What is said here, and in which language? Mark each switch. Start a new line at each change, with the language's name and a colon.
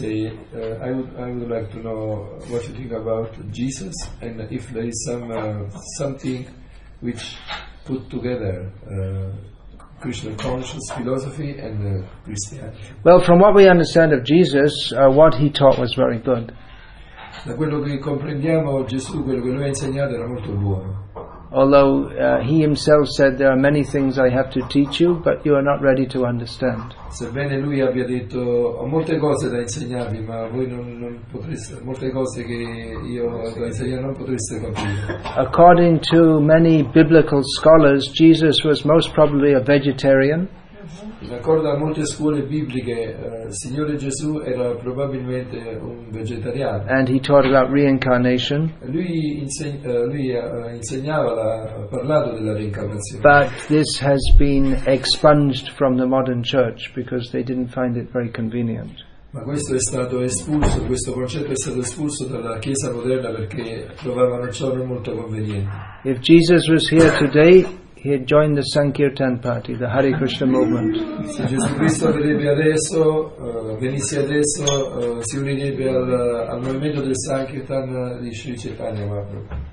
English: I would like to know what you think about Jesus and if there is something which put together Krishna conscious philosophy and Christianity. Well, from what we understand of Jesus, what he taught was very good.
Italian: Da quello che comprendiamo Gesù, quello che lui ha insegnato era molto buono.
English: Although he himself said, there are many things I have to teach you, but you are not ready to understand.
Italian: Sebbene lui abbia detto, ho molte cose da insegnarvi, ma voi non potreste, molte cose che io da insegnare non potreste capire.
English: According to many biblical scholars, Jesus was most probably a vegetarian.
Italian: In accordo a molte scuole bibliche, Signore Gesù era probabilmente un vegetariano.
English: And he taught about reincarnation.
Italian: Lui ha parlato della reincarnazione.
English: But this has been expunged from the modern church because they didn't find it very convenient.
Italian: Ma questo è stato espulso, questo concetto è stato espulso dalla Chiesa moderna perché trovavano ciò non molto conveniente.
English: If Jesus was here today, he had joined the Sankirtan party, the Hare Krishna movement.
Italian: Se Gesù Cristo verrebbe adesso, venisse adesso, si unirebbe al movimento del Sankirtan di Sri Chaitanya Mahaprabhu.